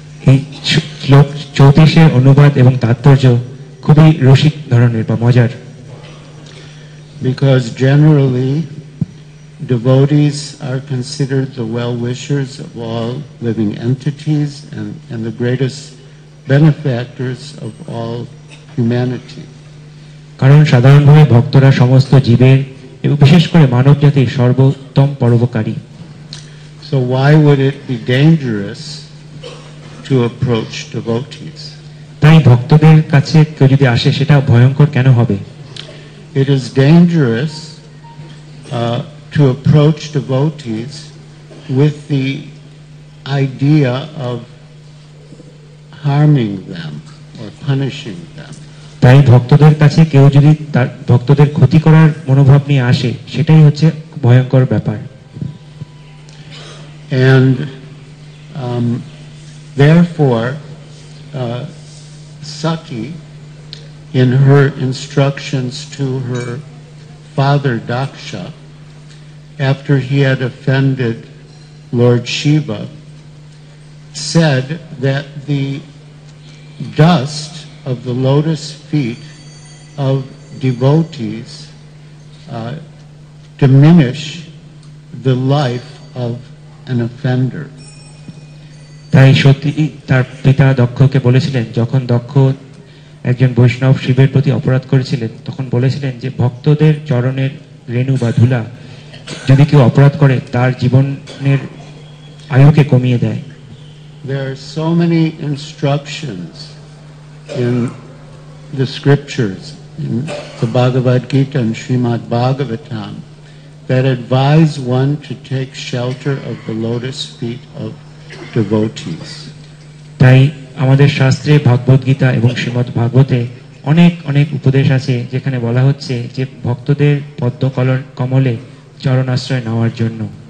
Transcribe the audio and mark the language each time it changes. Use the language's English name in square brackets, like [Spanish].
[Bangla] এই শ্লোক 34 এর অনুবাদ এবং তাৎপর্য খুবই রসিক ধরনের বা মজার। [English] Because generally devotees are considered the well-wishers of all living entities and the greatest benefactors of all humanity. [Bangla] কারণ সাধারণভাবে ভক্তরা সমস্ত জীবের এবং বিশেষ করে মানবজাতির সর্বোত্তম পরোপকারী। [English] So why would it be dangerous to approach devotees? [Bangla] তাই ভক্তদের কাছে কেউ যদি আসে সেটা ভয়ঙ্কর কেন হবে? [English] It is dangerous to approach devotees with the idea of harming them or punishing them. [Bangla] তাই ভক্তদের কাছে কেউ যদি তার ভক্তদের ক্ষতি করার মনোভাব নিয়ে আসে সেটাই হচ্ছে ভয়ঙ্কর ব্যাপার। [English] And therefore Sati in her instructions to her father Daksha, after he had offended Lord Shiva, said that the dust of the lotus feet of devotees diminish the life of an offender. [Bangla] তাই সতী তার পিতা দক্ষকে বলেছিলেন, যখন দক্ষ একজন বৈষ্ণব শিবের প্রতি অপরাধ করেছিলেন তখন বলেছিলেন যে ভক্তদের চরণের রেণু বা ধুলা যদি কেউ অপরাধ করে তার জীবনের আয়ুকে কমিয়ে দেয়। [English] There are so many instructions in the scriptures, in the Bhagavad Gita and Srimad Bhagavatam, that advise one to take shelter of the lotus feet of devotees. [Bangla] তাই আমাদের শাস্ত্রে ভগবদ গীতা এবং শ্রীমদ ভাগবতে অনেক অনেক উপদেশ আছে যেখানে বলা হচ্ছে যে ভক্তদের পদ্মকলন কমলে চরণাশ্রয় নেওয়ার জন্য।